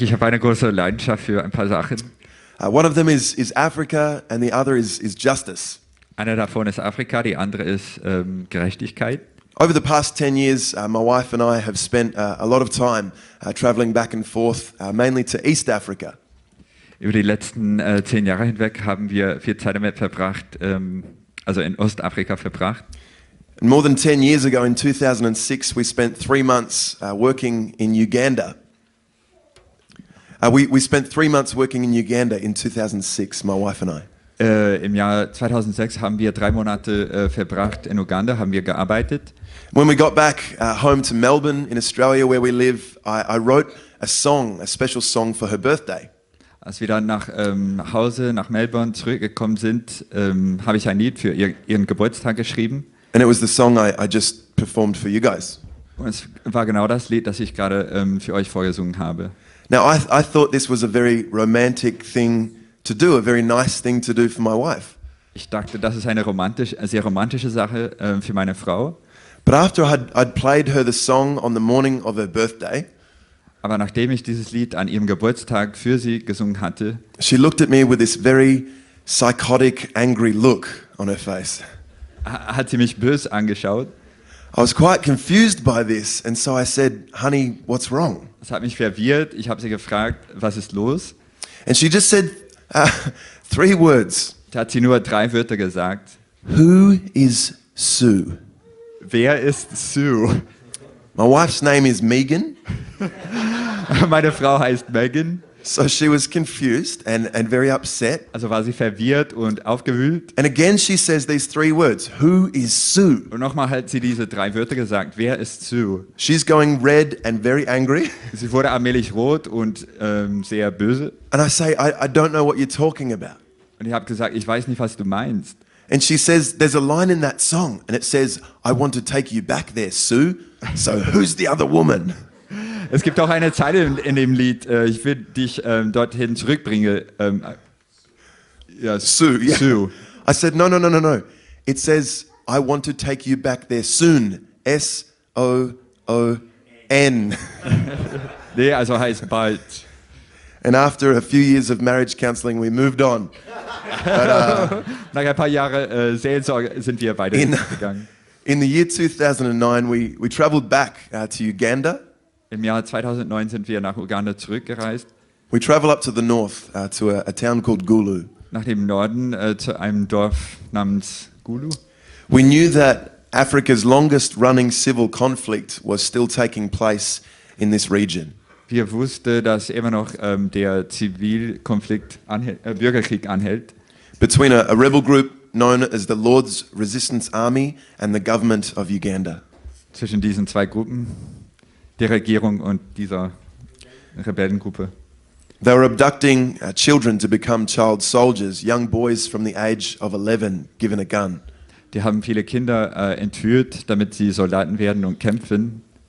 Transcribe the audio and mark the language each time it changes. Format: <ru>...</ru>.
<de>Ich habe eine große Leidenschaft für ein paar Sachen.</de> <en>One of them is Africa, and the other is justice.</en> <de>Einer davon ist Afrika, die andere ist Gerechtigkeit.</de> <en>Over the past 10 years, my wife and I have spent a lot of time traveling back and forth, mainly to East Africa.</en> <de>Über die letzten 10 Jahre hinweg haben wir viel Zeit damit verbracht, also in Ostafrika verbracht.</de> <en>And more than 10 years ago in 2006 we spent 3 months working in Uganda. We spent 3 months working in Uganda in 2006, my wife and I.</en> <de>Im Jahr 2006 haben wir 3 Monate verbracht in Uganda, haben wir gearbeitet.</de> <en>When we got back home to Melbourne in Australia where we live, I wrote a song, a special song for her birthday.</en> <de>Als wir dann nach Hause, nach Melbourne zurückgekommen sind, habe ich ein Lied für ihren Geburtstag geschrieben.</de> <en>And it was the song I just performed for you guys.</en> <de>Und es war genau das Lied, das ich gerade für euch vorgesungen habe.</de> <en>Now I thought this was a very romantic thing to do, a very nice thing to do for my wife.</en> <de>Ich dachte, das ist eine sehr romantische Sache für meine Frau.</de> <en>But after I'd played her the song on the morning of her birthday,</en> <de>aber nachdem ich dieses Lied an ihrem Geburtstag für sie gesungen hatte,</de> <en>she looked at me with this very psychotic, angry look on her face.</en> <de>Hat sie mich böse angeschaut.</de> <en>I was quite confused by this, and so I said, "Honey, what's wrong?"</en> <de>Es hat mich verwirrt. Ich habe sie gefragt, was ist los?</de> <en>And she just said three words.</en> <de>Da hat sie nur 3 Wörter gesagt.</de> <en>Who is Sue?</en> <de>Wer ist Sue?</de> <en>My wife's name is Megan.</en> <de>Meine Frau heißt Megan.</de> <en>So she was confused and very upset.</en> <de>Also war sie verwirrt und aufgewühlt.</de> <en>And again she says these three words. Who is Sue?</en> <de>Und nochmal hat sie diese 3 Wörter gesagt. Wer ist Sue?</de> <en>She's going red and very angry.</en> <de>Sie wurde allmählich rot und sehr böse.</de> <en>And I say, I don't know what you're talking about.</en> <de>Und ich habe gesagt, ich weiß nicht, was du meinst.</de> <en>And she says, there's a line in that song and it says, I want to take you back there, Sue. So who's the other woman?</en> <de>Es gibt auch eine Zeile in dem Lied, ich will dich dorthin zurückbringen.</de> <en>Sue, yeah. Sue. I said, no. It says, I want to take you back there soon. S-O-O-N.</en> <de>Nee, also heißt bald.</de> <en>And after a few years of marriage counseling, we moved on.</en> <de>But, nach ein paar Jahren Seelsorge sind wir weitergegangen.</de> <en>In the year 2009, we traveled back to Uganda.</en> <de>Im Jahr 2009 sind wir nach Uganda zurückgereist.</de> <en>We travel up to the north to a town called Gulu.</en> <de>Nach dem Norden zu einem Dorf namens Gulu.</de> <en>We knew that Africa's longest running civil conflict was still taking place in this region.</en> <de>Wir wussten, dass immer noch der Zivilkonflikt Bürgerkrieg anhält.</de> <en>Between a rebel group known as the Lord's Resistance Army and the government of Uganda.</en> <de>Zwischen diesen zwei Gruppen, der Regierung und dieser Rebellengruppe.</de> <en>They were abducting children to become child soldiers, young boys from the age of 11 given a gun.</en> <de>Die haben viele Kinder entführt, damit sie Soldaten werden und kämpfen.</de>